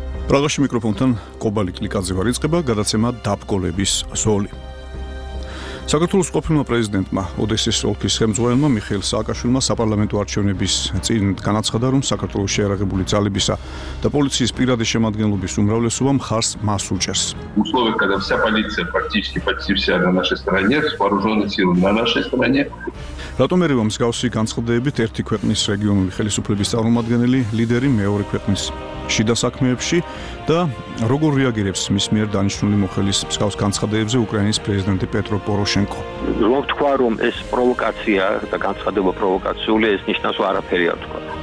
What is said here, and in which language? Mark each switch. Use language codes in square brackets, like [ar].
[ka] Რაღაში მიკროფონთან კობალი კლიკაძეგვარიცხება გადაცემა დაბკოლების ზოლი. საქართველოს ყოფილმა პრეზიდენტმა, ოდესის ოლქის ხელმძღვანელმა მიხეილ სააკაშვილმა საპარლამენტო არჩევნების წინ განაცხადა, რომ საქართველოს შეიარაღებული ძალებისა და პოლიციის პირადი შემადგენლობის უმრავლესობა მხარს მას უჭერს. [ru] Условия, когда вся полиция практически вся на нашей стороне, вооружённые силы на нашей стороне. [ka] Რატომ ერევა მსგავსი განცხადებით ერთი ქვეყნის რეგიონული ხელისუფლების წარმომადგენელი ლიდერი მეორე ქვეყნის შიდა საქმეებში და როგორ რეაგირებს მის მიერ დანიშნული მოხელის მსგავს განცხადებებზე უკრაინის პრეზიდენტი პეტრო პოროშენკო? Რომ ვთქვა, რომ ეს პროვოკაცია და განცხადება პროვოკაციულია, ეს ნიშნავს არაფერი არ ვთქვა.